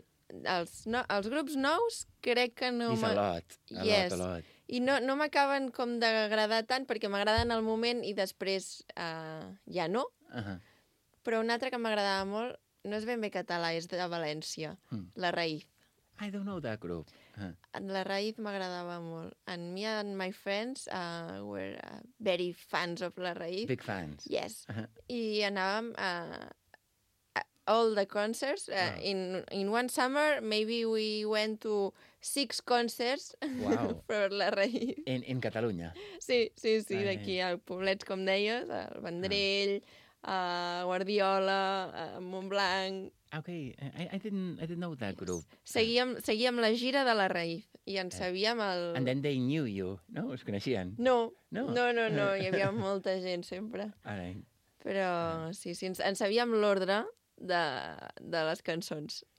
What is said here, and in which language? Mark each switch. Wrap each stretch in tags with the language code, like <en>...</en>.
<ca>Els, no, els grups nous crec que no...</ca> <en>He's a lot.</en> <ca>I no m'acaben com d'agradar tant, perquè m'agraden al moment i després ja no. Però un altre que m'agradava molt, no és ben bé català, és de València. La Raïf.</ca> <en>I don't know that group.</en> <ca>La Raïf m'agradava molt.</ca> <en>And me and my friends were very fans of La Raïf. Big fans. Yes.</en> <ca>I anàvem a</ca> <en>all the concerts. In one summer, maybe we went to 6 concerts for La Raïf. In Catalunya?</en> <ca>Sí, d'aquí al poblet, com deies, al Vendrell, a Guardiola, a Montblanc...</ca> <en>Okay, I didn't know that group.</en> <ca>Seguíem la gira de La Raïf i en sabíem el...</ca> <en>And then they knew you, no?</en> <ca>Us coneixien? No. Hi havia molta gent sempre.</ca> <en>Right.</en> <ca>Però sí, en sabíem l'ordre de les cançons.</ca>